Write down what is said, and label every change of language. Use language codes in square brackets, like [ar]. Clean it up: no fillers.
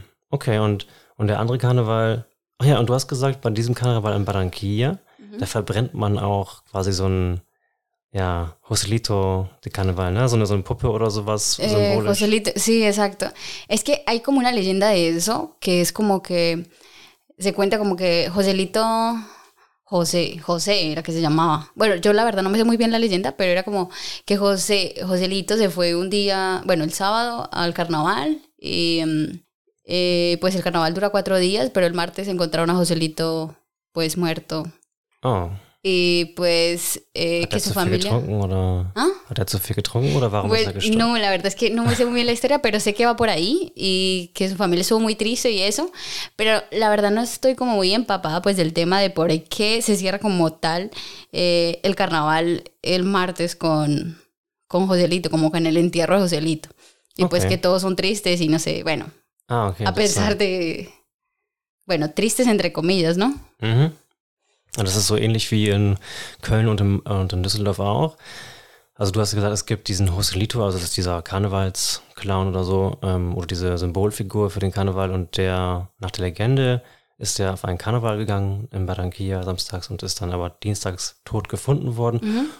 [de] Okay, und der andere Karneval, ach ja, und du hast gesagt, bei diesem Karneval in Barranquilla, da verbrennt man auch quasi so ein, ja, Joselito de Carnaval, ne? So eine Puppe oder sowas, symbolisch. [es] Joselito, sí, exacto. Es que hay como una leyenda de eso, que es como que se cuenta como que Joselito, José era que se llamaba. Bueno, yo la verdad no me sé muy bien la leyenda, pero era como que Joselito se fue un día, bueno, el sábado al carnaval y... pues el carnaval dura 4 días, pero el martes encontraron a Joselito, pues, muerto. Oh. Y pues, que su familia... [de] ¿Hat er zu viel getrunken oder? ¿Ah? ¿Hat er zu viel getrunken oder warum ist er gestorben? [es] No, la verdad es que no me sé muy bien la historia, pero sé que va por ahí y que su familia estuvo muy triste y eso. Pero la verdad no estoy como muy empapada pues del tema de por qué se cierra como tal el carnaval el martes con Joselito, como con el entierro de Joselito. Y pues que todos son tristes y no sé, bueno. Ah, ok. A pesar de... Bueno, tristes entre comillas, ¿no? Mhm. [de] Das ist so ähnlich wie in Köln und in Düsseldorf auch. Also du hast gesagt, es gibt diesen Joselito, also das ist dieser Karnevalsclown oder so, oder diese Symbolfigur für den Karneval, und der, nach der Legende, ist der auf einen Karneval gegangen in Barranquilla samstags und ist dann aber dienstags tot gefunden worden. Mhm.